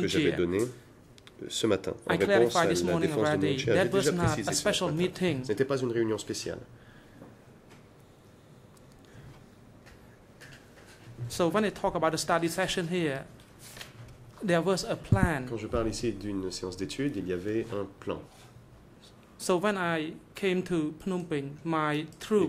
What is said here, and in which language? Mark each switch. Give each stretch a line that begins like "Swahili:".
French: que j'avais donnée ce matin. En
English: I clarified this morning already that was not a special meeting.
French: Ce n'était pas une réunion spéciale.
English: So when they talk about a study session here, there was a plan.
French: Quand je parle ici d'une séance d'études, il y avait un plan.
English: So when I came to Phnom Penh, my troops.